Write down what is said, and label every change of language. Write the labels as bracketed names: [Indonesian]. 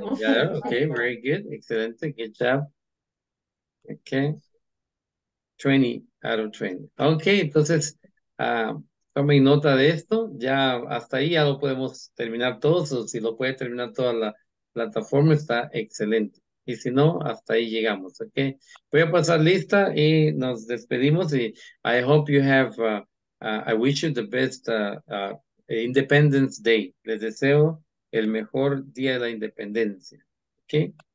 [English] Yeah, okay, very good, excelente, good job. Okay. 20 out of 20. [Spanish] Okay, entonces, tomen nota de esto, ya hasta ahí ya lo podemos terminar todos, o si lo puede terminar toda la plataforma, está excelente. Y si no, hasta ahí llegamos, ¿ok? Voy a pasar lista y nos despedimos. [English] Y I hope you have, I wish you the best Independence Day. [Spanish] Les deseo el mejor día de la independencia, ¿ok?